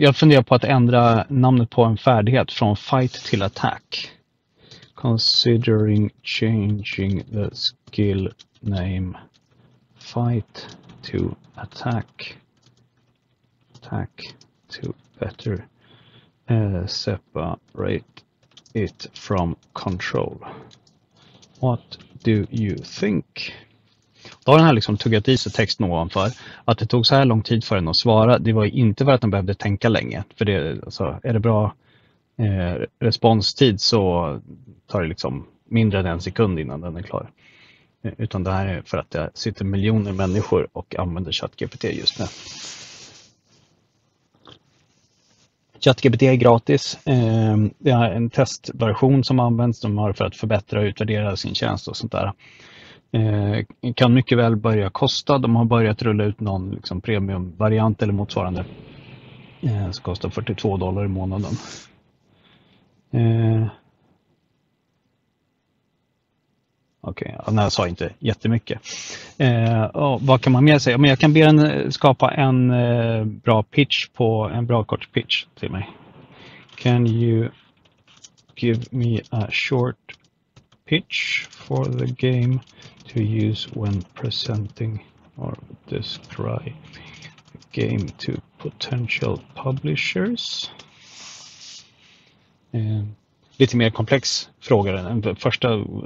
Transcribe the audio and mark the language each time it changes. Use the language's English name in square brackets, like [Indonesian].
[Swedish] Jag funderar på att ändra namnet på en färdighet från fight till attack. [English] Considering changing the skill name fight to attack. Attack to better separate it from control. What do you think? [Swedish] Då har den här liksom tuggat i sig texten ovanför. Att det tog så här lång tid för den att svara, det var ju inte för att den behövde tänka länge. För det, alltså, är det bra responstid så tar det liksom mindre än en sekund innan den är klar. Utan det här är för att det sitter miljoner människor och använder ChatGPT just nu. ChatGPT är gratis. Det är en testversion som används. De har för att förbättra och utvärdera sin tjänst och sånt där. Kan mycket väl börja kosta. De har börjat rulla ut någon liksom premiumvariant eller motsvarande. Som kostar $42 i månaden. Okej, okay, jag sa inte jättemycket. Vad kan man mer säga? Men jag kan be den skapa en bra pitch på en bra kort pitch till mig. [English] Can you give me a short pitch for the game to use when presenting or describing game to potential publishers? [Swedish] Lite mer komplex fråga än den första.